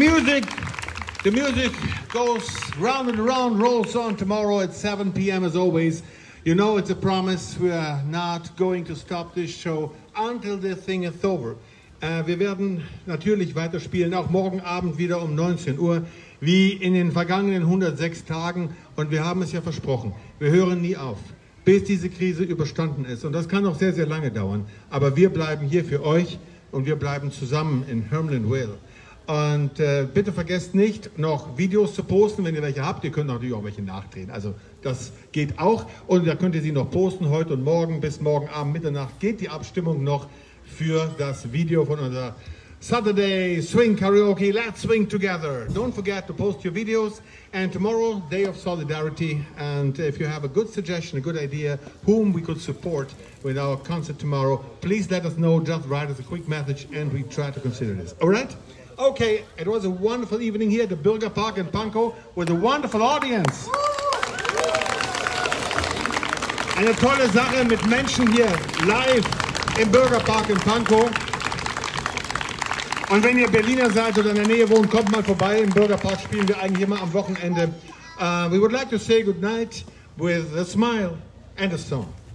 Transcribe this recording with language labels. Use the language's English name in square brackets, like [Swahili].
[English] The music goes round and round, rolls on tomorrow at 7 p.m. as always. You know it's a promise, we are not going to stop this show until the thing is over. [German] Wir werden natürlich weiterspielen, auch morgen Abend wieder um 19 Uhr, wie in den vergangenen 106 Tagen. Und wir haben es ja versprochen, wir hören nie auf, bis diese Krise überstanden ist. Und das kann auch sehr, sehr lange dauern. Aber wir bleiben hier für euch und wir bleiben zusammen in Hermelin Vale. Und bitte vergesst nicht, noch Videos zu posten, wenn ihr welche habt. Ihr könnt natürlich auch welche nachdrehen. Also das geht auch. Und da könnt ihr sie noch posten, heute und morgen. Bis morgen Abend, Mitternacht geht die Abstimmung noch für das Video von unserer Saturday Swing Karaoke. [English] Let's swing together. Don't forget to post your videos. And tomorrow, Day of Solidarity. And if you have a good suggestion, a good idea, whom we could support with our concert tomorrow, please let us know. Just write us a quick message and we try to consider this. All right? Okay, it was a wonderful evening here at the Bürger Park in Pankow with a wonderful audience. [German] Eine tolle Sache mit Menschen hier live im Bürger Park in Pankow. Und wenn ihr Berliner seid oder in der Nähe wohnt, kommt mal vorbei. Im Bürger Park spielen wir eigentlich immer am Wochenende. [English] We would like to say good night with a smile and a song.